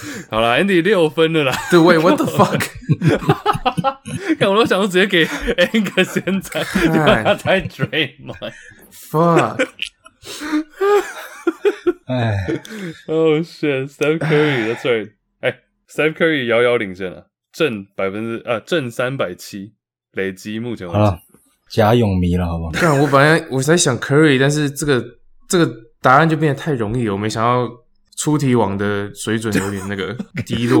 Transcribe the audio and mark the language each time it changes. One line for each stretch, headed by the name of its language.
Chinese: 好啦 ,Andy 六分了啦。
English: 对 ,Wait, what the fuck?
Chinese: 看我都想说直接给 Angus 先猜你把他猜 Draymond。
English: Fuck. 哎。 Oh shit, Steph Curry, that's right.
Chinese: 哎 ,Steph Curry 遥遥领先了。正370%累积目前为止。假勇迷了好不好看我本来我在想 Curry, 但是这个答案就变得太容易了我没想到出题网的水准有点那个低落。